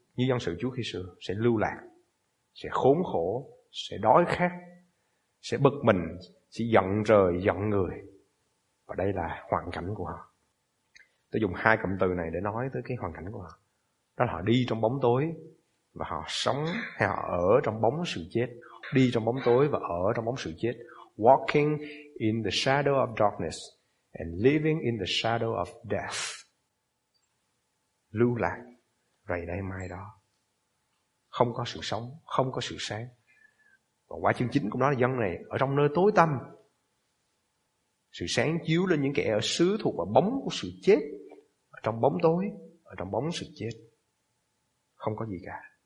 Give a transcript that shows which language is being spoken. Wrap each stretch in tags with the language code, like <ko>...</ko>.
<vi>Như dân sự Chúa khi xưa, sẽ lưu lạc, sẽ khốn khổ, sẽ đói khát, sẽ bực mình, sẽ giận trời, giận người. Và đây là hoàn cảnh của họ. Tôi dùng hai cụm từ này để nói tới cái hoàn cảnh của họ. Đó là họ đi trong bóng tối và họ sống, hay họ ở trong bóng sự chết. Đi trong bóng tối và ở trong bóng sự chết.</vi> <en>Walking in the shadow of darkness and living in the shadow of death.</en> <vi>Lưu lạc, rày đây mai đó. Không có sự sống, không có sự sáng. Và quả chương chính cũng nói là dân này ở trong nơi tối tăm. Sự sáng chiếu lên những kẻ ở xứ thuộc vào bóng của sự chết, ở trong bóng tối, ở trong bóng sự chết. Không có gì cả.</vi>